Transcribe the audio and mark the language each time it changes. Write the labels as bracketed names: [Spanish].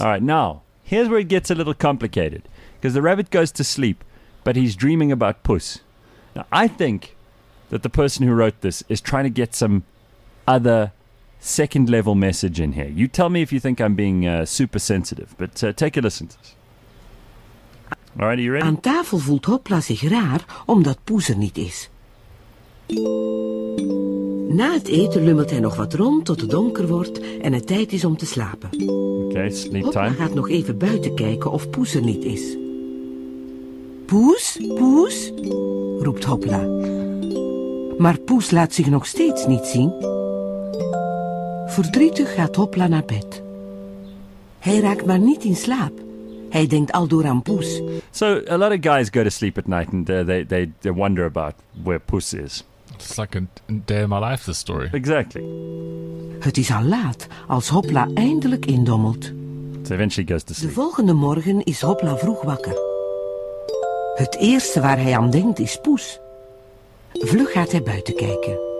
[English] All right, now, here's where it gets a little complicated. Because the rabbit goes to sleep, but he's dreaming about Poes. Now, I think that the person who wrote this is trying to get some other... second level message in here. You tell me if you think I'm being super sensitive, but take a listen. Alright, are you ready? [Dutch] Aan tafel voelt Hopla zich raar omdat Poes er niet is. Na het eten lummelt hij nog wat rond tot het donker wordt en het tijd is om te slapen. [English] Okay, sleep time. [Dutch] Hopla gaat nog even buiten kijken of Poes er niet is. Poes, Poes, roept Hopla. Maar Poes laat zich nog steeds niet zien. Verdrietig gaat Hopla naar bed. Hij raakt maar niet in slaap. Hij denkt aldoor aan Poes. [English] So, a lot of guys go to sleep at night and they wonder about where Poes is. It's like a day in my life, this story. Exactly. [Dutch] Het is al laat als Hopla eindelijk indommelt. [English] So eventually goes to sleep. [Dutch] De volgende morgen is Hopla vroeg wakker. Het eerste waar hij aan denkt is Poes. Vlug gaat hij buiten kijken.